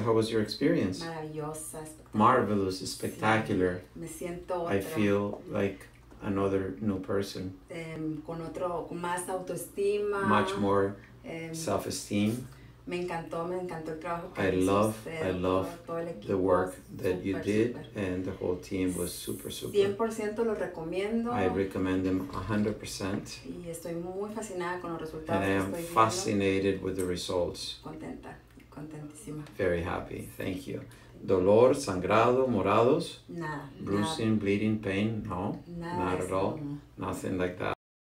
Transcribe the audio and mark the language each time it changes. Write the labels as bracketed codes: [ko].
[en] How was your experience? [es] Maravillosa. [en] Marvelous, spectacular. [es] Sí. Me siento otra. [en] I feel like another new person. [es] Con otro, con más autoestima. [en] Much more self-esteem. [es] Me encantó el trabajo que [en] I love the work that you did, and the whole team was super, super. [es] 100% lo recomiendo. [en] I recommend them 100%. [es] Y estoy muy fascinada con los resultados. [en] And I am fascinated with the results. [es] Contenta, contentísima. [en] Very happy, thank you. [es] Dolor, sangrado, morados? Nada. [en] Bruising, [es] nada. [en] Bleeding, pain? No. [es] Nada [en] not at all. Nothing like that.